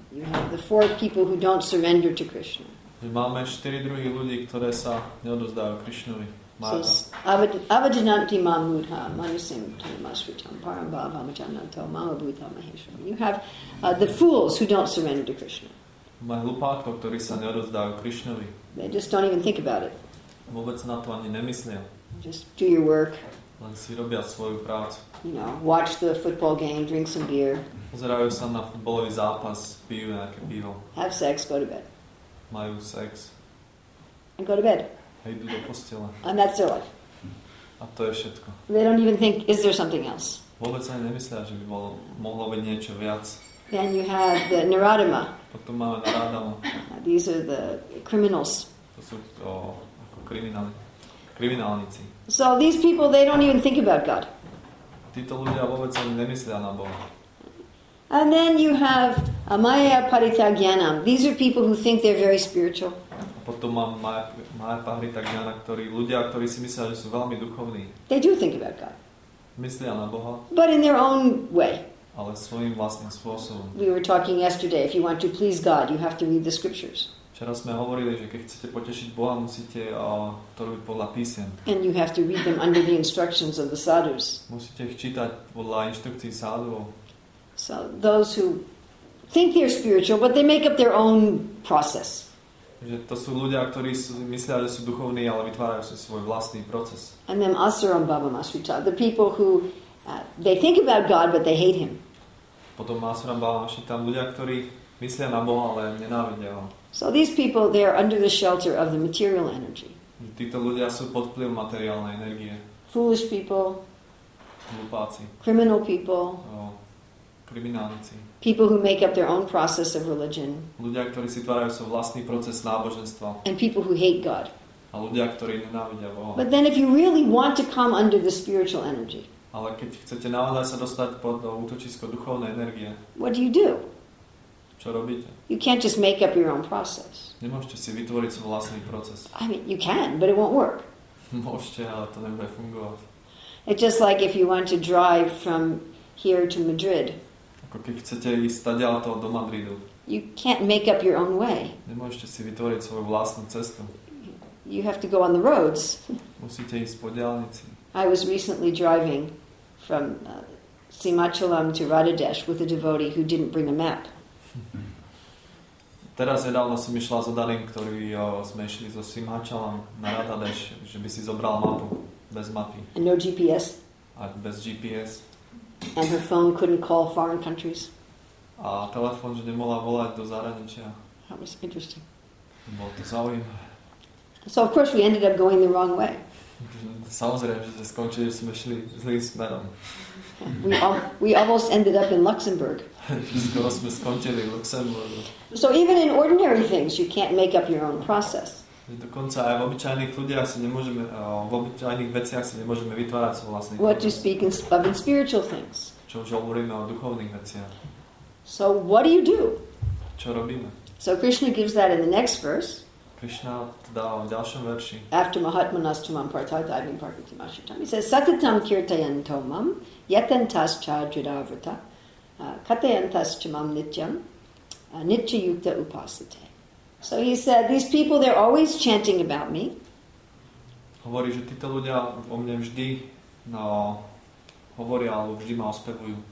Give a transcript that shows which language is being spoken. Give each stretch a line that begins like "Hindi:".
English: You have the four people who don't surrender to Krishna.
Slovak: Máme 4 druhy ľudí, ktoré sa neodovzdajú Krishnovi.
Sanskrit: Avajanti mamudha, manusim tamasvitam, parambhava, majananto, mamabhuta, maheshram.
English: You have the fools who don't surrender to Krishna.
Slovak: Máme hlupákov, ktorí sa neodovzdajú Krishnovi.
English: They just don't even think about it.
Slovak: Vôbec na to ani nemyslia.
English: Just do your work.
Slovak: Len si robia svoju prácu.
English: You know, watch the football game, drink some beer.
Slovak: Pozerajú sa na futbolový zápas, pijú nejaké pivo.
English: Have sex, go to bed.
Slovak: Majú sex.
English: And go to bed.
Slovak: A idú do postele.
English: And that's their life.
Slovak: A to je všetko.
English: They don't even think, is there something else?
Slovak: Vôbec ani nemyslia, že by bolo, mohlo byť niečo viac.
English: Then you have the Naradama.
Slovak: Potom máme Naradama.
English: These are the criminals.
Slovak: To sú ako kriminali. Kriminálnici.
English: So these people, they don't even think about God.
Slovak: Títo ľudia vôbec ani nemyslia na Boha.
English: And then you have Amaya Paritagyanam. These are people who think they're very spiritual.
Slovak: A potom mám Maya Paritagyana, ľudia, ktorí si myslia, že sú veľmi duchovní.
English: They do think about God.
Slovak: Myslia na Boha.
English: But in their own way.
Slovak: Ale svojím vlastným spôsobom.
English: We were talking yesterday, if you want to please God, you have to read the scriptures.
Slovak: Včera sme hovorili, že keď chcete potešiť Boha, musíte to robiť podľa písem.
English: And you have to read them under the instructions of the sadhus.
Slovak: Musíte ich čítať podľa inštrukcií sadhuov.
English: So those who think they're spiritual, but they make up their own process.
Slovak: Že to sú ľudia, ktorí sú, myslia, že sú duchovní, ale vytvárajú si svoj vlastný proces.
English: And then Asuram Baba Mashrita, the people who they think about God but they hate him.
Slovak: Potom Asuram Baba Mashrita, ľudia, ktorí myslia na Boha, ale nenávidia ho.
English: So these people, they are under the shelter of the material energy.
Slovak: Títo ľudia sú pod vplyvom materiálnej energie.
English: Foolish people.
Slovak: Hlupáci.
English: Criminal people.
Slovak: Kriminálnici.
English: People who make up their own process of religion.
Slovak: Ľudia, ktorí si tvárajú svoj vlastný proces náboženstva.
English: And people who hate God.
Slovak: A ľudia, ktorí nenávidia Boha.
English: But then if you really want to come under the spiritual energy.
Slovak: Ale keď chcete naozaj sa dostať pod to útočisko duchovnej energie.
English: What do you do?
Slovak: Čo robíte?
English: You can't just make up your own process.
Slovak: Nemôžete si vytvoriť svoj vlastný proces.
English: I mean, you can, but it won't work.
Slovak: Môžete, ale to nebude fungovať.
English: It's just like if you want to drive from here to Madrid.
Slovak: Ako keď chcete ísť tadiaľto do Madridu.
English: You can't make up your own way.
Slovak: Nemôžete si vytvoriť svoju vlastnú cestu.
English: You have to go on the roads.
Slovak: Musíte ísť po diaľnici.
English: I was recently driving from Simachalam to Radadesh with a devotee who didn't bring a map.
Slovak: Teraz nedávno som išla s Odarim, ktorý sme išli so Simachalam na Radadesh, že by si zobral mapu. Bez mapy.
English: And no GPS.
Slovak: A bez GPS.
English: And her phone couldn't call foreign countries.
Slovak: A telefón, že nemohla volať do zahraničia.
English: That was interesting.
Slovak: Bolo to zaujímavé.
English: So of course we ended up going the wrong way.
Slovak: Samozrejme, že sme skončili, že sme šli zlým smerom.
English: We almost ended up in Luxembourg.
Slovak: Skoro sme skončili v Luxemburgu.
English: So even in ordinary things you can't make up your own process.
Slovak: Dokonca aj v obyčajných ľuďach si nemôžeme, v obyčajných veciach si nemôžeme vytvárať svoj vlastný proces.
English: What do you speak of in spiritual things?
Slovak: Čo už hovoríme o duchovných veciach.
English: So what do you do?
Slovak: Čo robíme?
English: So Krishna gives that in the next verse.
Slovak: Krishna to dá v ďalšom verši.
Sanskrit: After Mahatmanas tumam partadivim parvitimashitam.
English: He says,
Sanskrit: Satatam kirtayan tomam yatantas chajudavrata katayantas tumam nityam nityayukta upasate.
English: So he said, these people, they're always chanting about me.
Slovak: Hovorí, že títo ľudia o mne vždy, no, hovoria, alebo vždy ma ospevujú.